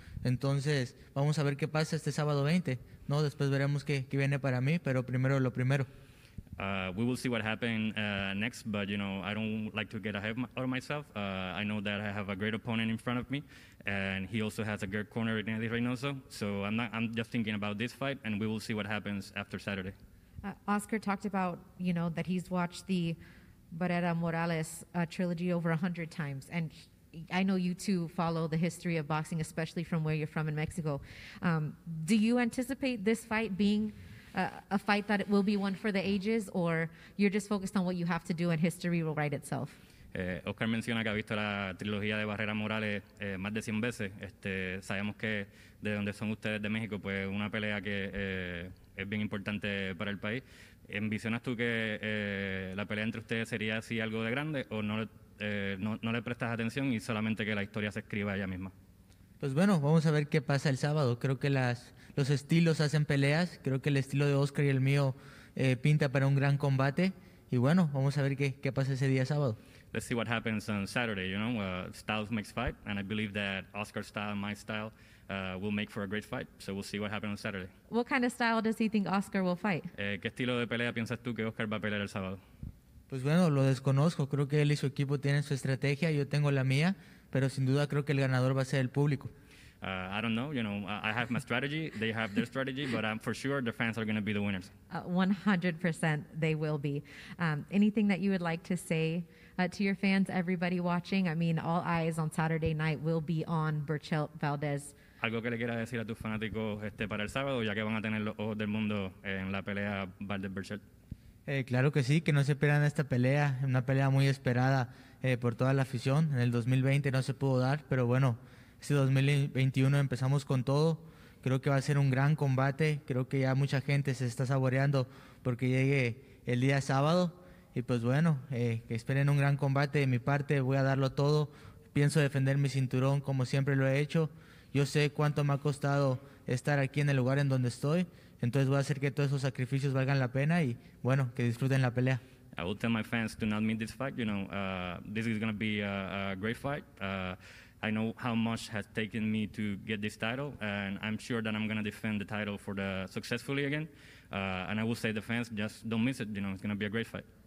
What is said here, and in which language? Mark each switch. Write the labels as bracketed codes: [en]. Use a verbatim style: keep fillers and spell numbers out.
[es] Entonces, vamos a ver qué pasa este sábado veinte. No, después veremos qué, qué viene para mí, pero primero lo primero. [en] Uh, we will see what happens uh, next, but you know, I don't like to get ahead of myself. Uh, I know that I have a great opponent in front of me, and he also has a great corner in Eddie Reynoso. So I'm not. I'm just thinking about this fight, and we will see what happens after Saturday. Uh, Oscar talked about, you know, that he's watched the Barrera Morales uh, trilogy over a hundred times, and he, I know you two follow the history of boxing, especially from where you're from in Mexico. Um, do you anticipate this fight being Uh, a fight that it will be one for the ages, or you're just focused on what you have to do and history will write itself? [es] Eh, Oscar menciona que ha visto la trilogía de Barrera Morales eh, más de cien veces. Este, sabemos que de donde son ustedes, de México, pues una pelea que eh, es bien importante para el país. ¿Envisionas tú que eh, la pelea entre ustedes sería así algo de grande, o no, eh, no, no le prestas atención y solamente que la historia se escriba ella misma? Pues bueno, vamos a ver qué pasa el sábado. Creo que las los estilos hacen peleas. Creo que el estilo de Oscar y el mío eh, pinta para un gran combate. Y bueno, vamos a ver qué, qué pasa ese día sábado. [en] Let's see what happens on Saturday, you know. Uh, styles makes fight, and I believe that Oscar's style and my style uh, will make for a great fight. So we'll see what happens on Saturday. What kind of style does he think Oscar will fight? [es] Eh, ¿Qué estilo de pelea piensas tú que Oscar va a pelear el sábado? Pues bueno, lo desconozco. Creo que él y su equipo tienen su estrategia, yo tengo la mía. Pero sin duda creo que el ganador va a ser el público. [en] Uh, I don't know, you know, I have my strategy, they have their strategy, but I'm for sure the fans are going to be the winners. Uh, one hundred percent they will be. Um, anything that you would like to say uh, to your fans, everybody watching? I mean, all eyes on Saturday night will be on Burchell Valdez. [es] Algo que le quiera decir a tus fanáticos este, para el sábado, ya que van a tener los ojos del mundo en la pelea Valdez-Burchell. Eh, claro que sí, que no se pierdan esta pelea, una pelea muy esperada eh, por toda la afición. En el dos mil veinte no se pudo dar, pero bueno, este dos mil veintiuno empezamos con todo. Creo que va a ser un gran combate, creo que ya mucha gente se está saboreando porque llegue el día sábado. Y pues bueno, eh, que esperen un gran combate de mi parte, voy a darlo todo. Pienso defender mi cinturón como siempre lo he hecho. Yo sé cuánto me ha costado estar aquí en el lugar en donde estoy. Entonces voy a hacer que todos esos sacrificios valgan la pena y, bueno, que disfruten la pelea. [en] I will tell my fans to not miss this fight. You know, uh, this is going to be a, a great fight. Uh, I know how much has taken me to get this title, and I'm sure that I'm going to defend the title for the successfully again. Uh, and I will say to the fans, just don't miss it. You know, it's going to be a great fight.